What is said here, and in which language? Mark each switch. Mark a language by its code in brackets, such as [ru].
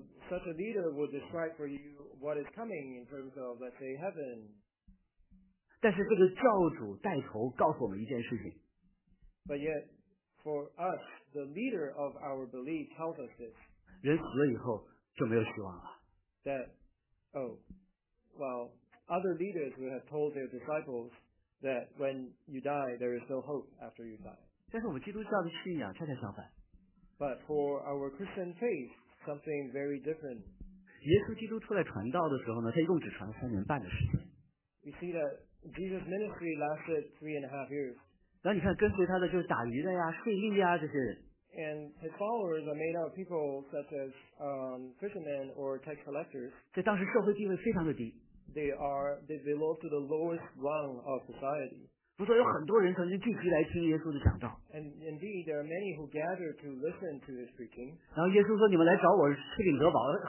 [en] Such a leader will describe for you what is coming in terms of, let's say, heaven. [zh] 但是这个教主带头告诉我们一件事情。 [en] But yet, for us, the leader of our belief tells us this. [zh] 人死了以后就没有希望了。 [en] Other leaders would have told their disciples that when you die, there is no hope after you die. [zh] 但是我们基督教的信仰恰恰相反。 [en] But for our Christian faith, something very different. [zh] 耶稣基督出来传道的时候呢，他一共只传了三年半的时间。 [en] We see that Jesus' ministry lasted 3.5 years. [zh] 然后你看跟随他的就是打鱼的呀，税吏呀这些人。 [en] And his followers are made out of people such as fishermen or tax collectors. [zh] 在当时社会地位非常的低。 [en] They belong to the lowest rung of society. [zh] 不是有很多人曾经聚集来听耶稣的讲道。 [en] And indeed, there are many who gathered to listen to his preaching. [zh] 然后耶稣说：“你们来找我吃饼得饱。”